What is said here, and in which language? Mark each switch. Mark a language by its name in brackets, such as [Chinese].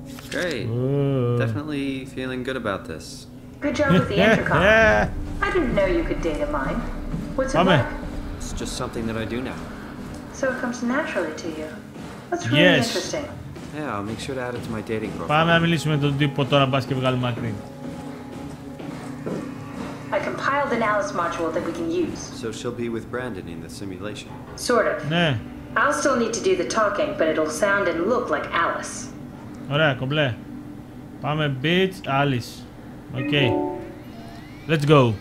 [English] Great. Definitely feeling good about this. Good job with the intercom. I didn't know you could data mine. What's it like? It's just something that I do now. So it comes naturally to you. That's really interesting. Yeah, I'll make sure to add it to my dating profile. [Greek] Πάμε να μιλήσουμε με τον τύπο τώρα, μπας και βγάλουμε άκρη. [English] I compiled an Alice module that we can use. So she'll be with Brandon in the simulation. Sort of. [Greek] Ναι. [English] I'll still need to do the talking, but it'll sound and look like Alice. [Greek] Ωραία, κομπλέ. Πάμε, bitch, Alice. [English] Okay. Let's go.